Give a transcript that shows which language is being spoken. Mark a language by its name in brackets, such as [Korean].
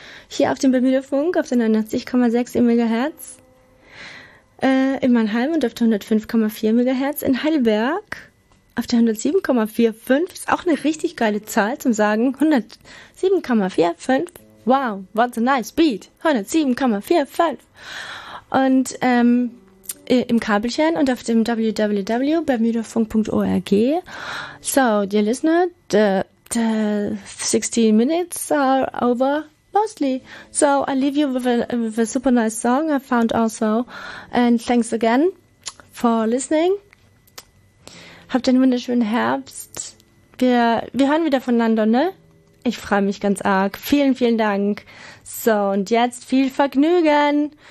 [German] Hier auf dem Bermuda-Funk auf der 89,6 MHz in Mannheim und auf der 105,4 MHz in Heidelberg auf der 107,45 ist auch eine richtig geile Zahl zum Sagen. 107,45. [English] Wow, what a nice beat. [German] 107,45. Und im Kabelchen und auf dem www.bermudafunk.org. [English] So, dear listener, the 16 minutes are over mostly. So, I leave you with a super nice song I found also. And thanks again for listening. [German] Habt einen wunderschönen Herbst. Wir hören wieder voneinander, ne? Ich freue mich ganz arg. Vielen, vielen Dank. So, und jetzt viel Vergnügen.